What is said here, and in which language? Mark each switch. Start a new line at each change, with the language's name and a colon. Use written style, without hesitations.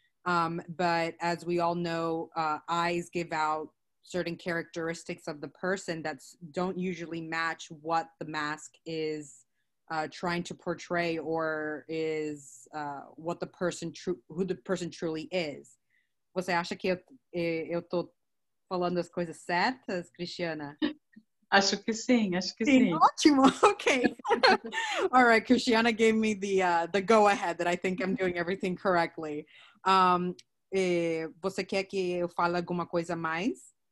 English: But as we all know, eyes give out certain characteristics of the person that don't usually match what the mask is trying to portray or is what the person who the person truly is.
Portuguese: Você acha que eu tô falando as coisas certas, Cristiana? Acho que sim, acho que sim. Ótimo, okay.
English: All right, Cristiana gave me the go ahead that I think I'm doing everything correctly.
Portuguese: Você quer que eu fale alguma coisa mais?